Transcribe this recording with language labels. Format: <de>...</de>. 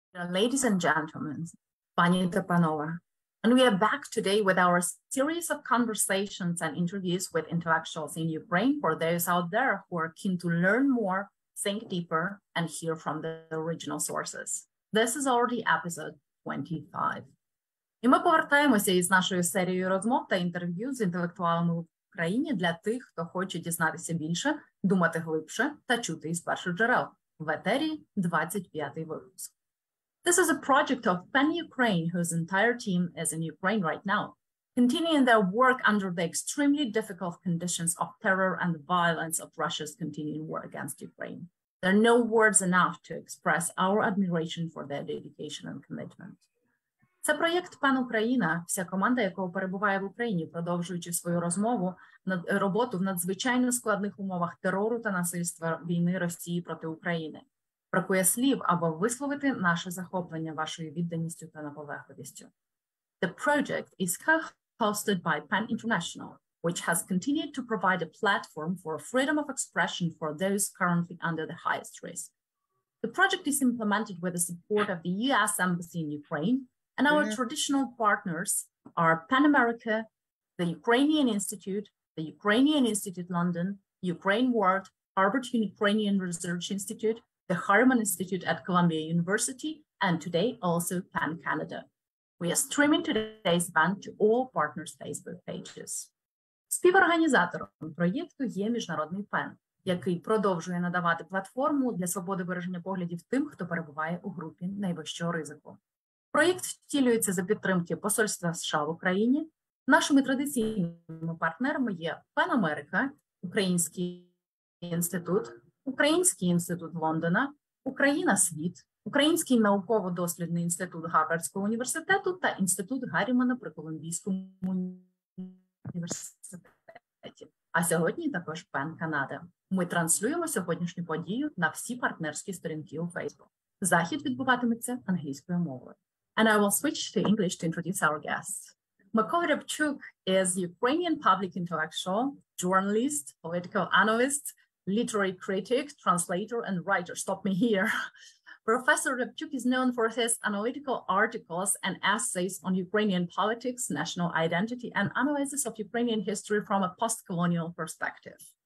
<en>Ladies and gentlemen,</en> <uk>Pani ta panowa,</uk> <en>and we are back today with our series of conversations and interviews with intellectuals in Ukraine for those out there who are keen to learn more, think deeper, and hear from the original sources. This is already episode 25.</en> <uk>І ми повертаємося із нашою серією розмов та інтерв'ю з інтелектуалами в Україні для тих, хто хоче дізнатися більше, думати глибше та чути із перших джерел. В етері 25-й випуск.</uk> <en>This is a project of Pan Ukraine, whose entire team is in Ukraine right now, continuing their work under the extremely difficult conditions of terror and the violence of Russia's continuing war against Ukraine. There are no words enough to express our admiration for their dedication and commitment.</en> <uk>Це проєкт Пан Україна, вся команда якого перебуває в Україні, продовжуючи свою розмову над роботу в надзвичайно складних умовах терору та насильства війни Росії проти України. Бракує слів, аби висловити наше захоплення вашою відданістю та наполегливістю.</uk> <en>The project is co-hosted by Pan International, which has continued to provide a platform for freedom of expression for those currently under the highest risk. The project is implemented with the support of the US Embassy in Ukraine, and our traditional partners are Pan America, the Ukrainian Institute, the Ukrainian Institute London, Ukraine World, Harvard Ukrainian Research Institute, the Harriman Institute at Columbia University, and today also Pan Canada. We are streaming today's event to all partners' Facebook pages.</en> <uk>Співорганізатором проєкту є Міжнародний ПЕН, який продовжує надавати платформу для свободи вираження поглядів тим, хто перебуває у групі найвищого ризику. Проєкт втілюється за підтримки посольства США в Україні. Нашими традиційними партнерами є ПЕН Америка, Український інститут, Український інститут Лондона, Україна Світ, Український науково-дослідний інститут Гарвардського університету та інститут Гарімана при Колумбійському університеті. А сьогодні також ПЕН Канада. Ми транслюємо сьогоднішню подію на всі партнерські сторінки у Facebook. Захід відбуватиметься англійською мовою.</uk> <en>And I will switch to English to introduce our guests. Mykola Riabchuk is Ukrainian public intellectual, journalist, political analyst, literary critic, translator, and writer. Stop me here. Professor Riabchuk is known for his analytical articles and essays on Ukrainian politics, national identity, and analysis of Ukrainian history from a post-colonial perspective.</en>